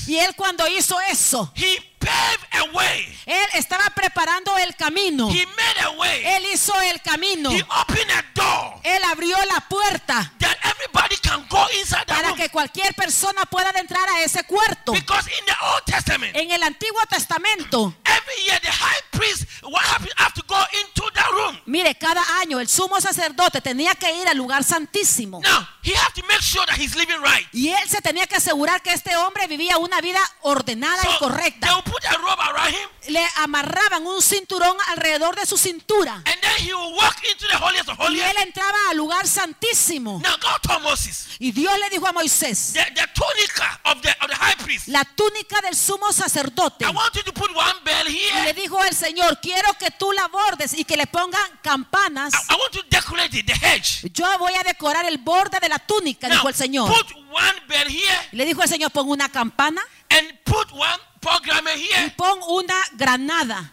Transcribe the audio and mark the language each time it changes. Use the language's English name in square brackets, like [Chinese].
[Spanish] y él cuando hizo eso, [English] he paved a way. [Spanish] Él estaba preparando el camino. [English] He made a way. [Spanish] Él hizo el camino. [English] He opened a door. [Spanish] Él abrió la puerta. [English] That everybody can go inside [Spanish] para [English] room. [Spanish] Que cualquier persona pueda entrar a ese cuarto. [English] Because in the Old Testament, [Spanish] en el Antiguo Testamento, [English] every year the high priest would have to go into that room. [Spanish] Mire, cada año el sumo sacerdote tenía que ir al lugar santísimo. [English] Now, he had to make sure that he's living right. [Spanish] Y él se tenía que asegurar que este hombre vivía una vida ordenada [English] so, [Spanish] y correcta. [English] They would put a robe around him, [Spanish] le amarraban un cinturón alrededor de su cintura. [English] And then he would walk into the holiest of holies. [Spanish] Y él entraba al lugar santísimo. [English] Now God told Moses, [Spanish] y Dios le dijo a Moisés, [English] the tunica of the high priest, [Spanish] la túnica del sumo sacerdote. [English] I want you to put one bell here. [Spanish] Y le dijo al Señor, quiero que tú la bordes y que le pongan campanas. [English] I want to decorate the hedge. [Spanish] Yo voy a decorar el borde de la túnica, [English] now, [Spanish] dijo el Señor. [English] Put one bell here. [Spanish] Y le dijo al Señor, pon una campana. [English] And put one pomegranate here. [Spanish] Y pon una granada.